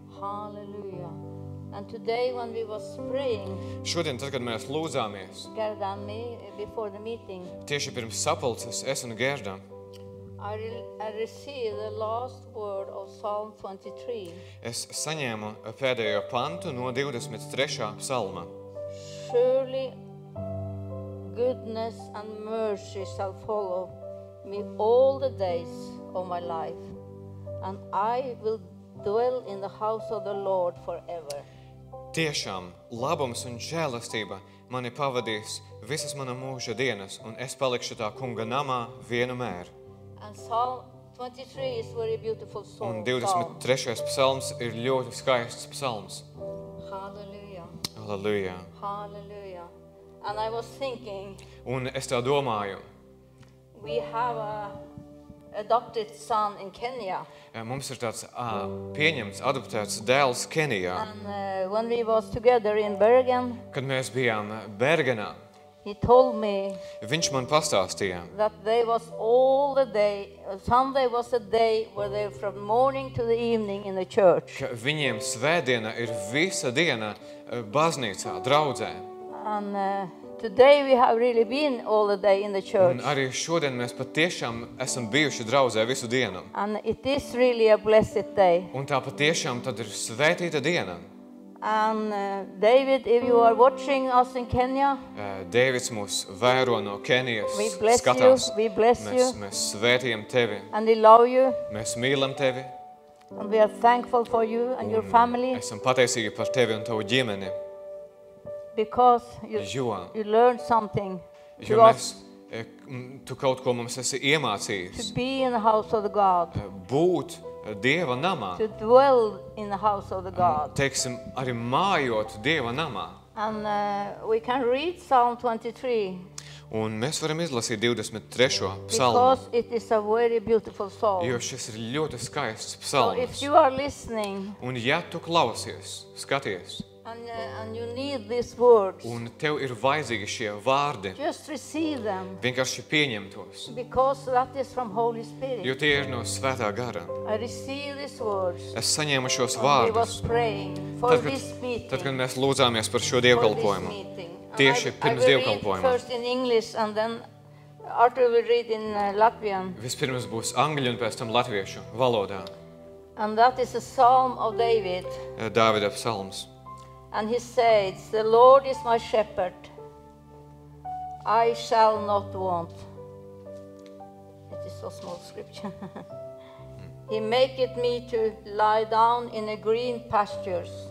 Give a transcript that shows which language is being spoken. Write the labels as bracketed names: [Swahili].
[English] Hallelujah. And today when we was praying. [Latvian] Šodien, tad, kad mēs lūdzāmies. [English] Gerda and me before the meeting. [Latvian] Tieši pirms sapulces, es un Gerda. [English] I received the last word of Psalm 23. [Latvian] Es saņēmu pēdējo pantu no 23. Psalma. [English] Surely goodness and mercy shall follow me all the days of my life, and I will dwell in the house of the Lord forever. [Latvian] Tiešām, labums un žēlastība mani pavadīs visas mana mūža dienas, un es palikšu tā kunga namā vienmēr. [English] And Psalm 23 is very beautiful psalm. [Latvian] Un 23. Psalms ir ļoti skaists psalms. [English] Hallelujah. Hallelujah. Hallelujah. And I was thinking. [Latvian] Un es tā domāju. [English] We have a adopted son in Kenya. [Latvian] Mums ir tāds pieņemts, adoptēts dēls Kenijā. [English] And when we was together in Bergen. [Latvian] Kad mēs bijām Bergenā. [English] He told me. [Latvian] Viņš man pastāstīja. [English] That they was all the day, Sunday was a day where they from morning to the evening in the church. [Latvian] Ka viņiem svētdiena ir visa diena baznīcā, draudzē. [English] And today we have really been all the day in the church. [Latvian] Un arī šodien mēs patiešām esam bijuši draudzē visu dienu. [English] And it is really a blessed day. [Latvian] Un tā patiešām tad ir svētīta diena. [English] And David, if you are watching us in Kenya, [Latvian] Davids mūs vēro no Kenijas. [English] We bless [Latvian] skatās. [English] You. We bless [Latvian] mēs, [English] you. [Latvian] Mēs svētījam tevi. [English] And we love you. [Latvian] Mēs mīlam tevi. [English] And we are thankful for you and [Latvian] un [English] your family. [Latvian] Esam pateicīgi par tevi un tavu ģimeni. [English] Because you learned something. [Latvian] Jo mēs, tu kaut ko mums esi iemācījis. [English] To be in the house of the God. [Latvian] Būt Dieva namā. [English] To dwell in the house of the God. [Latvian] Teiksim, arī mājot Dieva namā. [English] And we can read Psalm 23. [Latvian] Un mēs varam izlasīt 23. Psalmu. [English] Because it is a very beautiful psalm. [Latvian] Jo šis ir ļoti skaists psalms. [English] So if you are listening. [Latvian] Un ja tu klausies, skaties. [English] And you need these words. [Latvian] Un tev ir vajadzīgi šie vārdi. [English] Just receive them. [Latvian] Vienkārši pieņem tos. [English] Because that is from Holy Spirit. [Latvian] Jo tie ir no Svētā Gara. [English] I receive these words. [Latvian] Es saņēmu šos vārdus. [English] And we were praying for [Latvian] tad, kad, [English] this meeting. [Latvian] Tad, kad mēs lūdzāmies par šo dievkalpojumu. Tieši pirms dievkalpojuma. [English] First in English and then Arthur will read in Latvian. [Latvian] Vispirms būs angļu un pēc tam latviešu valodā. [English] And that is a psalm of David. [Latvian] Dāvida psalms. [English] And he says, the Lord is my shepherd, I shall not want. It is so small scripture. He maketh me to lie down in the green pastures.